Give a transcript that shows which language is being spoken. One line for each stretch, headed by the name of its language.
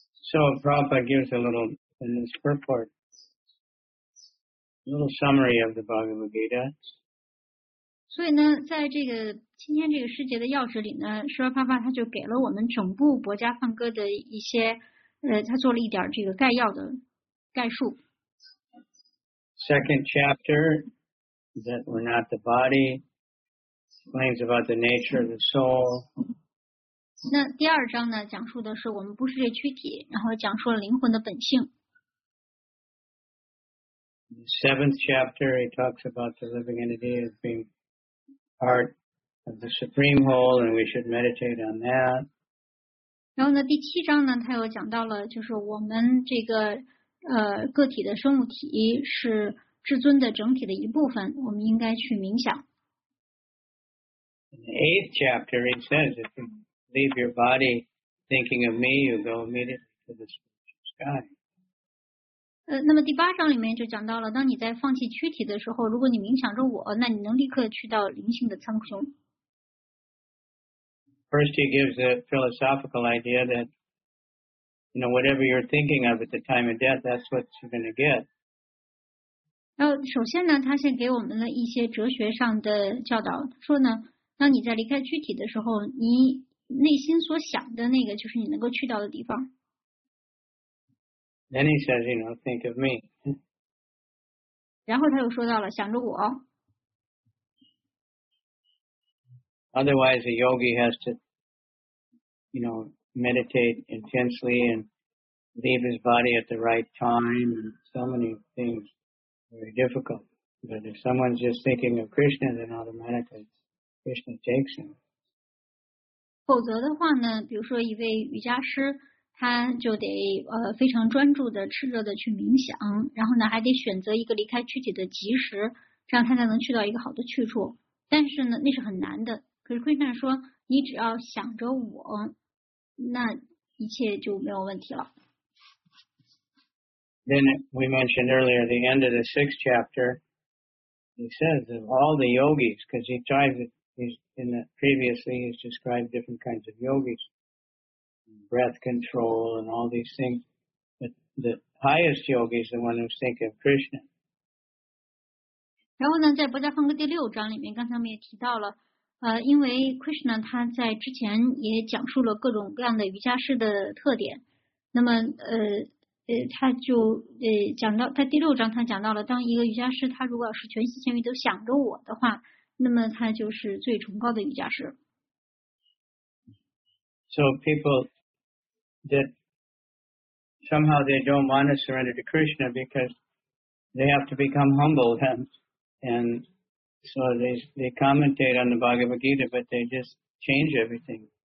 English: So Prabhupada gives a little in this purport, a little summary of the Bhagavad Gita.
Chinese: 所以呢，在这个今天这个师节的要旨里呢，释迦牟尼他就给了我们整部《薄伽梵歌》的一些，他做了一点这个概要的概述。
English: Second chapter that we're not the body explains about the nature of the soul.
Chinese: 那第二章呢，讲述的是我们不是这躯体，然后讲述了灵魂的本性。
English: Seventh chapter, he talks about the living entity as being. Part of the supreme whole, and we should meditate on that.
Chinese: 然后呢，第七章呢，他又讲到了，就是我们这个个体的生物体是至尊的整体的一部分，我们应该去冥想。
English: In the eighth chapter, it says, if you leave your body thinking of me, you go immediately to the spiritual sky.
Chinese: 那么第八章里面就讲到了，当你在放弃躯体的时候，如果你冥想着我，那你能立刻去到灵性的苍穹。
English: First, he gives a philosophical idea that, you know, whatever you're thinking of at the time of death, that's what you're going to get.
Chinese: 然后首先呢，他先给我们了一些哲学上的教导，说呢，当你在离开躯体的时候，你内心所想的那个就是你能够去到的地方。
English: Then he says, you know, think of me.
Chinese: 然后他又说到了想着我。
English: Otherwise, a yogi has to, you know, meditate intensely and leave his body at the right time. And so many things are very difficult. But if someone's just thinking of Krishna, then automatically Krishna takes him.
Chinese: 否则的话呢，比如说一位瑜伽师。他就得非常专注的炽热的去冥想，然后呢还得选择一个离开躯体的及时，这样他才能去到一个好的去处。但是呢，那是很难的。可是 Krishna 说，你只要想着我，那一切就没有问题了。
English: Then we mentioned earlier the end of the sixth chapter. He says of all the yogis, because he tries it. He's described different kinds of yogis. Breath control and all these things. But the highest yogi is the one who's thinking of Krishna.
Chinese: 然后呢，在《薄伽梵歌》第六章里面，刚才我们也提到了，因为 Krishna 他在之前也讲述了各种各样的瑜伽师的特点。那么，他就讲到在第六章，他讲到了，当一个瑜伽师他如果要是全心全意都想着我的话，那么他就是最崇高的瑜伽师。
English: So people that somehow they don't want to surrender to Krishna because they have to become humble and so they commentate on the Bhagavad Gita, but they just change everything.